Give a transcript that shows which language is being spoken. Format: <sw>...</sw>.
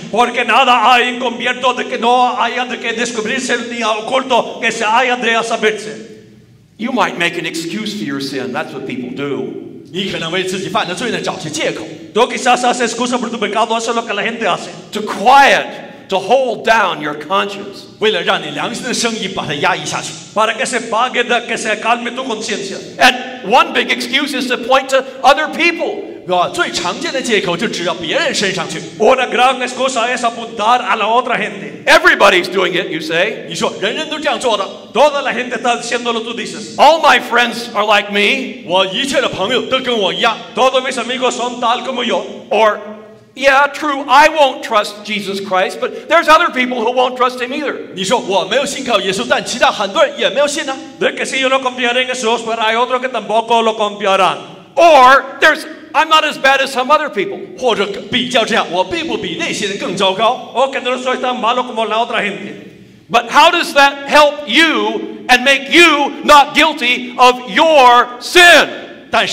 <es>Porque nada hay encubierto de que no haya de que descubrirse ni oculto que se haya de saberse.</es> <en>You might make an excuse for your sin. That's what people do.</en> <zh>你可能为自己犯的罪呢找些借口。</zh> <es>Tú quizás haces excusa por tu pecado, eso es lo que la gente hace.</es> <en>To quiet. To hold down your conscience.</en> <zh>为了让你良心的声音把它压抑下去。</zh> <es>Para que se pague, que se calme tu conciencia.</es> <en>And one big excuse is to point to other people.</en> <zh>最常见的借口就指到别人身上去。</zh> <es>Una gran excusa es apuntar a la otra gente.</es> <en>Everybody's doing it, you say.</en> <zh>你说人人都这样做的。</zh> <es>Toda la gente está haciéndolo, tú dices.</es> <en>All my friends are like me.</en> <zh>我一切的朋友都跟我一样。</zh> <es>Todos mis amigos son tal como yo.</es> <en>Or yeah, true, I won't trust Jesus Christ, but there's other people who won't trust him either.</en> <zh>你说我没有信靠耶稣，但其他很多人也没有信呢。</zh> <es>De que si yo no confiaré en Jesús, pero hay otro que tampoco lo confiarán.</es> <en>Or there's I'm not as bad as some other people.</en> <zh>或者比较这样，我并不比那些人更糟糕。</zh> <es>O que no soy tan malo como la otra gente.</es> <en>But how does that help you and make you not guilty of your sin?</en>